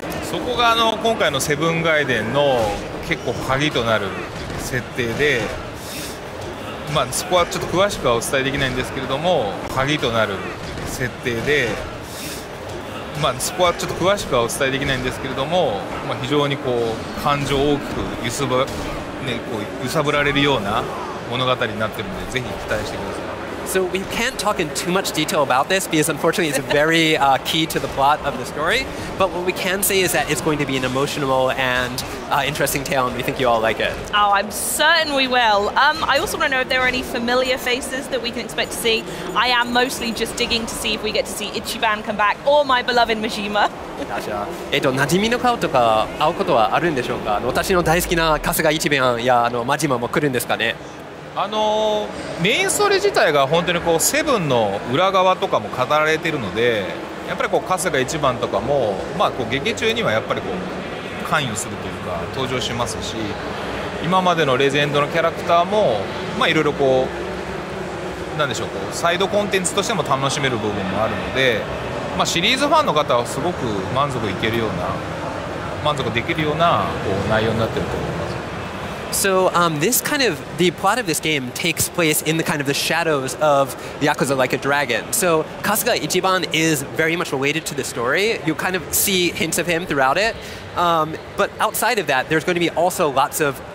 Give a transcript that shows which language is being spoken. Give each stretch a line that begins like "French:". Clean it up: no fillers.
Japanese: そこがあの今回のセブンガイデンの結構鍵となる設定で、まあ、そこはちょっと詳しくはお伝えできないんですけれども、鍵となる設定で、まあ、そこはちょっと詳しくはお伝えできないんですけれども、まあ、非常にこう感情を大きく揺さぶられるような物語になっているので、ぜひ期待してください。
English: So we can't talk in too much detail about this because unfortunately it's very key to the plot of the story, but what we can say is that it's going to be an emotional and interesting tale, and we think you all like it. Oh, I'm certain we will. I also want to know if there are any familiar faces that we can expect to see. I am mostly just digging to see if we get to see Ichiban come back or my beloved Majima.
Japanese: なじみの顔とか会うことはあるんでしょうか？私の大好きな春日一番やあの Majima も来るんですかね？あのメインストーリー自体が本当にこうセブンの裏側とかも語られているので、やっぱりこう春日一番とかも、まあ、こう劇中にはやっぱりこう関与するというか登場しますし、今までのレジェンドのキャラクターもいろいろこう何でしょう、こうサイドコンテンツとしても楽しめる部分もあるので、まあ、シリーズファンの方はすごく満足できるようなこう内容になっていると思います。
English: So this kind of, the plot of this game takes place in the kind of the shadows of Yakuza Like a Dragon. So Kasuga Ichiban is very much related to the story. You kind of see hints of him throughout it. But outside of that, there's going to be also lots of